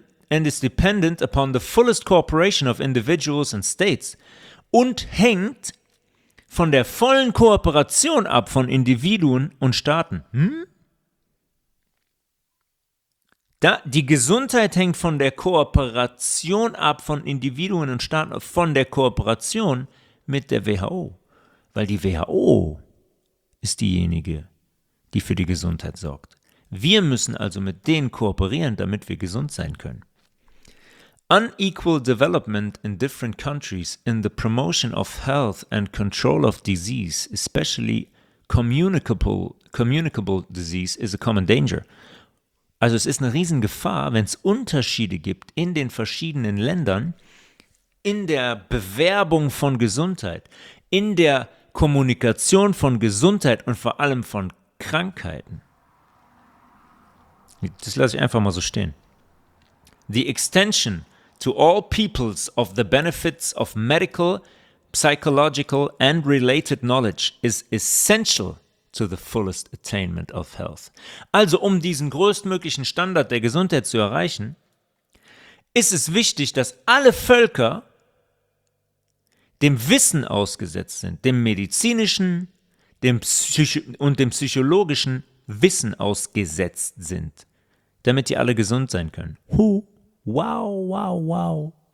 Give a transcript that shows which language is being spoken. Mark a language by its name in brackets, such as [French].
[English] And is dependent upon the fullest cooperation of individuals and states. [German] Und hängt von der vollen Kooperation ab von Individuen und Staaten. Die Gesundheit hängt von der Kooperation ab von Individuen und Staaten, von der Kooperation mit der WHO. Weil die WHO ist diejenige, die für die Gesundheit sorgt. Wir müssen also mit denen kooperieren, damit wir gesund sein können. [English] Unequal development in different countries in the promotion of health and control of disease, especially communicable disease, is a common danger. [German] Also es ist eine Riesengefahr, wenn es Unterschiede gibt in den verschiedenen Ländern, in der Bewerbung von Gesundheit, in der Kommunikation von Gesundheit und vor allem von Krankheiten. Das lasse ich einfach mal so stehen. [English] The extension to all peoples of the benefits of medical, psychological and related knowledge is essential to the fullest attainment of health. [German] Also um diesen größtmöglichen Standard der Gesundheit zu erreichen, ist es wichtig, dass alle Völker dem Wissen ausgesetzt sind, dem medizinischen, dem psychologischen Wissen ausgesetzt sind, damit die alle gesund sein können. Wow, wow, wow.